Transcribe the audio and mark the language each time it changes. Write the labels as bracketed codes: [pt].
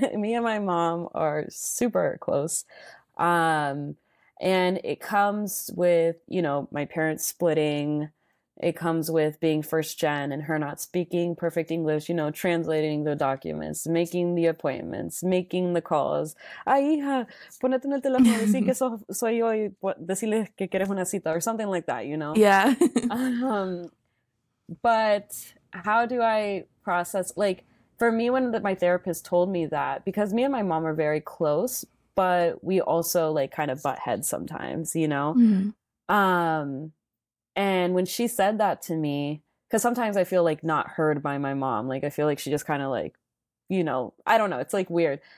[en] me and my mom are super close. And it comes with, you know, my parents splitting. It comes with being first gen and her not speaking perfect English, you know, translating the documents, making the appointments, making the calls. [es] Ay, hija, ponete en el teléfono, decir que soy yo y decirle que quieres una cita [en] or something like that, you know? Yeah. But how do I process, like, for me, when my therapist told me that, because me and my mom are very close, but we also like kind of butt heads sometimes, you know? Mm-hmm. And when she said that to me, because sometimes I feel like not heard by my mom, like I feel like she just kind of like, you know, I don't know, it's like weird.